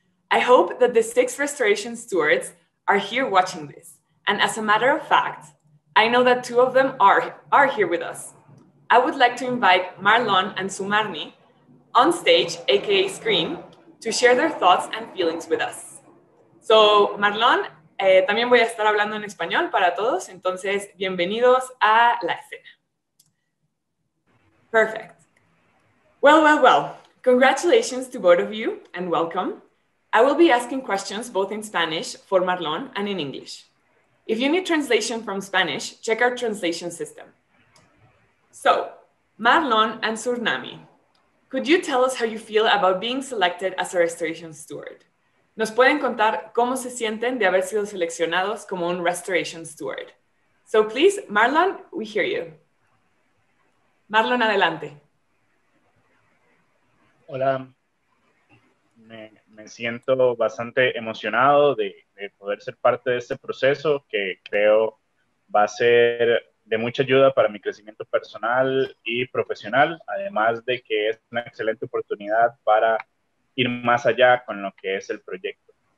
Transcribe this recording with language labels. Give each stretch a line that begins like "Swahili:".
English: I hope that the six restoration stewards are here watching this. And as a matter of fact, I know that two of them are here with us. I would like to invite Marlon and Sumarni on stage, AKA screen, to share their thoughts and feelings with us.
Spanish: So Marlon, también voy a estar hablando en español para todos, entonces bienvenidos a la escena.
English: Perfect. Well, congratulations to both of you and welcome. I will be asking questions both in Spanish for Marlon and in English. If you need translation from Spanish, check our translation system. So, Marlon and Surnami, could you tell us how you feel about being selected as a restoration steward?
Spanish: ¿Nos pueden contar cómo se sienten de haber sido seleccionados como un restoration steward?
English: So please, Marlon, we hear you. Marlon, adelante.
Spanish: Hola. Me siento bastante emocionado de poder ser parte de este proceso que creo va a ser de mucha ayuda para mi crecimiento personal y profesional, además de que es una excelente oportunidad para ir más allá con lo que es el proyecto.